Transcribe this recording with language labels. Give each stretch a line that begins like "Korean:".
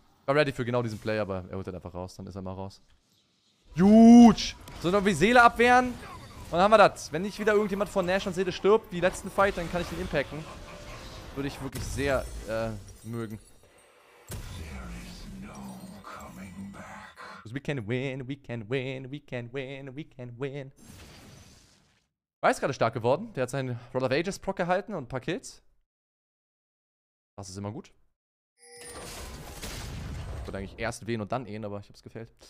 German: War ready für genau diesen Play, aber er holt dann einfach raus. Dann ist er mal raus. Huge! So, dann wie Seele abwehren. Und dann haben wir das. Wenn nicht wieder irgendjemand von Nash und Seele stirbt, die letzten Fight, dann kann ich ihn impacken. Würde ich wirklich sehr mögen.
English: We can win, we can win, we can win, we can win.
German: Weiß ist gerade stark geworden. Der hat seinen Roll of Ages Proc erhalten und ein paar Kills. Das ist immer gut. Ich würde eigentlich erst wehen und dann ehen, aber ich hab's gefällt.